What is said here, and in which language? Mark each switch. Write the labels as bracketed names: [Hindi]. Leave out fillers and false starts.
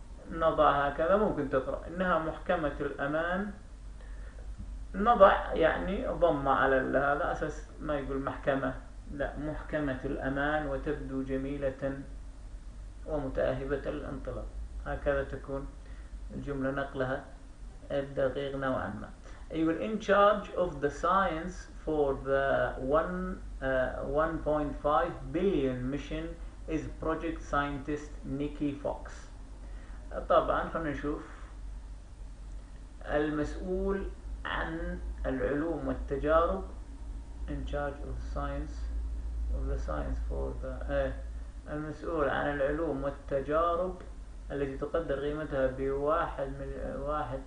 [Arabic] نضع هكذا، ممكن تقرأ إنها محكمة الأمان، نضع يعني ضمة على هذا أساس ما يقول محكمة، لا محكمة الأمان، وتبدو جميلة ومتأهبة للانطلاق. هكذا تكون الجملة، نقلها الدقيق نوعا ما. يقول [English] in charge of the science for the 1.5 billion mission is project scientist Nikki Fox. [Arabic] طبعا خلينا نشوف، المسؤول عن العلوم والتجارب، [English] in charge of science of the science for the [Arabic] المسؤول عن العلوم والتجارب التي تقدر قيمتها بواحد من واحد.